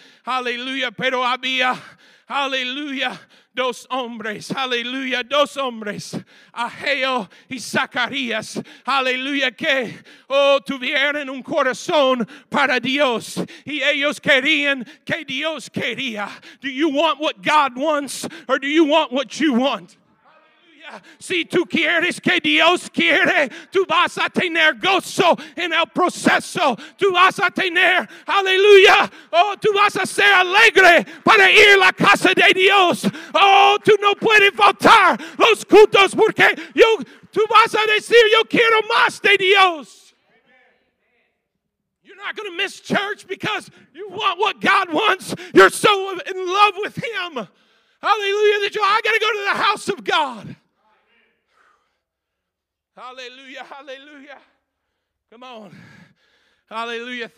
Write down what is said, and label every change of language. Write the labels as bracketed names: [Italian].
[Spanish] Aleluya, pero había, aleluya, dos hombres, aleluya, dos hombres, Ageo y Zacarías, aleluya, que tuvieron un corazón para Dios y ellos querían que Dios quería. [English] Do you want what God wants or do you want what you want? [Spanish] Si tú quieres que Dios quiere, tú vas a tener gozo en el proceso. Tú vas a tener, aleluya, tú vas a ser alegre para ir a la casa de Dios. Tú no puedes faltar los cultos porque tú vas a decir, yo quiero más de Dios. [English] You're not going to miss church because you want what God wants. You're so in love with Him. Hallelujah. I got to go to the house of God. Hallelujah, hallelujah. Come on. Hallelujah.